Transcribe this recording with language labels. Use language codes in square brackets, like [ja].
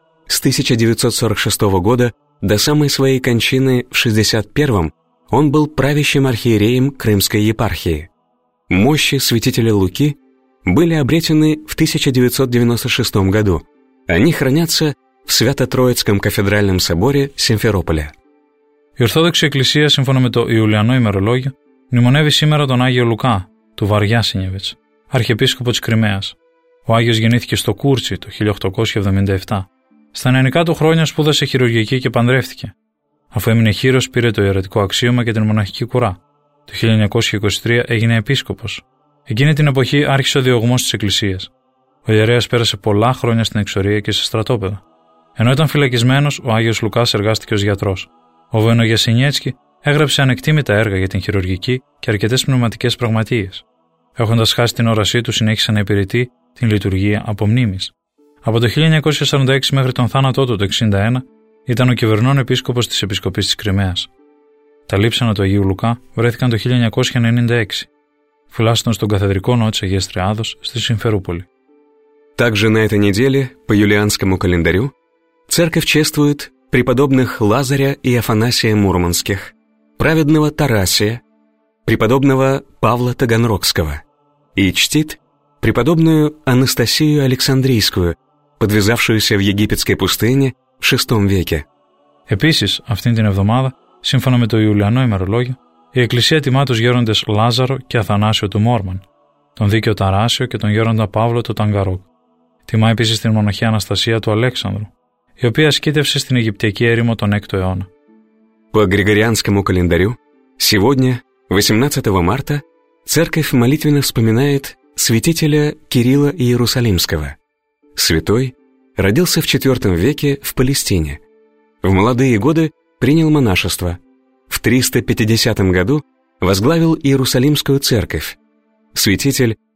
[ru] С 1946 года до самой своей кончины в 61-м он был правящим архиереем Крымской епархии. Мощи святителя Луки были обретены в 1996 году. Они хранятся в Свято-Троицком кафедральном соборе Симферополя. [el] Η Ορθόδοξη Εκκλησία, σύμφωνα με το Ιουλιανό ημερολόγιο, μνημονεύει σήμερα τον Άγιο Λουκά, του Βαριάσινιεβιτς, αρχιεπίσκοπο της Κρυμαίας. Ο Άγιος γεννήθηκε στο Κούρτσι το 1877. Στα νεανικά του χρόνια σπούδασε χειρουργική και παντρεύτηκε. Αφού έμεινε χείρος, πήρε το ιερατικό αξίωμα και την μοναχική κουρά. Το 1923 έγινε επίσκοπος. Εκείνη την εποχή άρχισε ο διωγμός της Εκκλησίας. Ο ιερέας πέρασε πολλά χρόνια στην εξορία και σε στρατόπεδα. Ενώ ήταν φυλακισμένος, ο Άγιος Λουκάς εργάστηκε ως γιατρός. Ο Βόινο Γιασινιέτσκι έγραψε ανεκτήμητα έργα για την χειρουργική και αρκετές πνευματικές πραγματείες. Έχοντας χάσει την όρασή του, συνέχισε να υπηρετεί την λειτουργία από μνήμης. Από το 1946 μέχρι τον θάνατό του το 1961 ήταν ο κυβερνών επίσκοπος της Επισκοπής της Κρυμαίας. Τα λείψανα του Αγίου Λουκά βρέθηκαν το 1996. Φυλάσσονταν στον καθεδρικό ναό της Αγίας Τριάδος στη Σιμφερούπολη. [ru] Также на этой неделе по юлианскому календарю церковь чествует преподобных Лазаря и Афанасия Мурманских, праведного Тарасия, преподобного Павла Таганрогского и чтит преподобную Анастасию Александрийскую, подвязавшуюся в египетской пустыне в VI веке. [el] Επίσης, αυτήν την εβδομάδα, σύμφωνα με το Ιουλιανό ημερολόγιο, η Εκκλησία τιμά τους γέροντες Λάζαρο και Αθανάσιο του Μόρμαν, τον δίκαιο Ταράσιο και τον γέροντα Παύλο του Ταγκαρόκ. Τιμά επίσης την μοναχή Αναστασία του Αλέξανδρου, η οποία ασκήτευσε στην Αιγυπτιακή έρημο τον 6ο αιώνα. [ru] По Григорианскому календарю, сегодня, 18 марта, церковь молитвенно вспоминает святителя Кирилла Иерусалимского. Святой родился в IV веке в Палестине. В молодые годы принял монашество. В 350 году возглавил Иерусалимскую церковь. Святитель